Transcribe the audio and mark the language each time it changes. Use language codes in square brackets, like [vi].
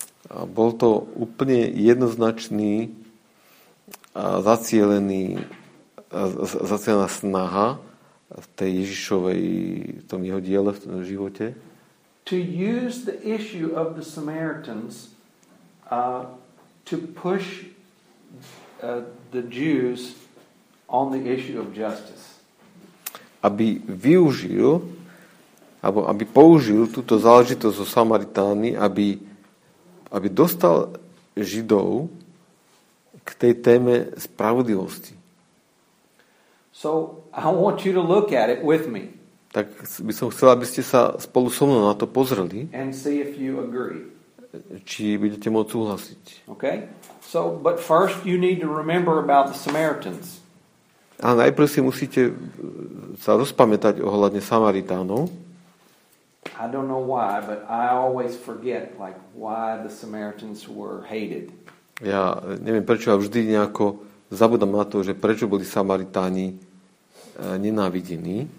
[sk] A bol to úplne jednoznačný a zacielený zacielená snaha v tej Ježišovej tom jeho diele v tom živote. [en] To use the issue of the Samaritans to push the Jews on the issue of justice. [sk] Aby využil alebo aby použil túto záležitosť o Samaritáni, aby dostal Židov k tej téme spravodlivosti. [en] So I want you to look at it with me. [sk] Tak by som chcel, aby ste sa spolu so mnou na to pozreli. [en] And see if you agree. [sk] Či budete môcť súhlasiť. [en] Okay? So but first you need to remember about the Samaritans. [sk] A najprv si musíte sa rozpamätať ohľadne Samaritánov. [en] I don't know why, but I always forget like why the Samaritans were hated. [sk] Ja neviem prečo, ale vždy nejako zabudám na to, že prečo boli Samaritáni nenávidení